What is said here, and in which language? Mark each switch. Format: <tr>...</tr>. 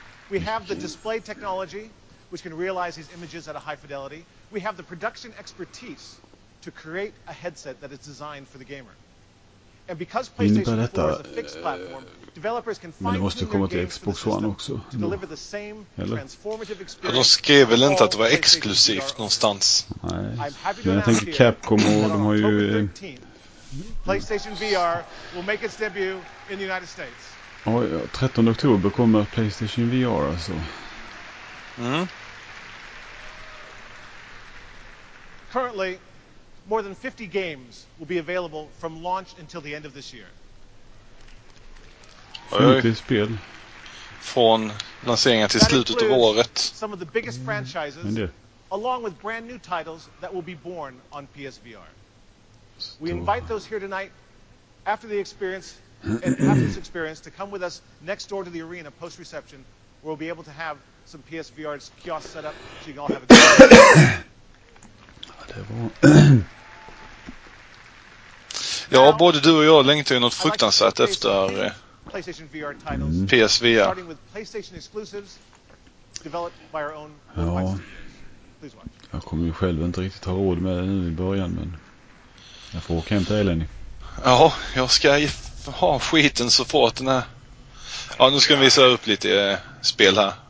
<en>We have the display technology which can realize these images at a high fidelity. We have the production expertise to create a headset that is designed for the gamer. And because PlayStation 4 is a fixed platform, developers can find new games to the system to deliver the same transformative experience.</en> <sv>De skrev väl inte att det var exklusivt någonstans? Nej, men jag tänker Capcom och de har ju...</sv> <en>PlayStation VR will make its debut in the United States.</en> <sv>Oj, 13 oktober kommer PlayStation VR alltså. Mm.</sv> <en>Currently, more than 50 games will be available from launch until the end of this year.</en> <sv>50 spel från lanseringen till slutet av året.</sv> <en>Some of the biggest franchises, along with brand new titles that will be born on PSVR. We invite those here tonight after the experience and after this experience to come with us next door to the arena post reception. We'll be able to have some PSVR's kiosk set up so you can all have a good</en> <sv>ja, det var... ja, både du och jag längtar ju något fruktansvärt efter</sv> <en>PlayStation VR titles. Mm. PSVR. Starting with PlayStation exclusives developed by our own.</en> <sv>Ja. Jag kommer ju själv inte riktigt ha råd med det nu i början, men jag får åka hem till Eleni. Ja, jag ska ha skiten så fort den är. Ja, nu ska vi visa upp lite spel här.</sv>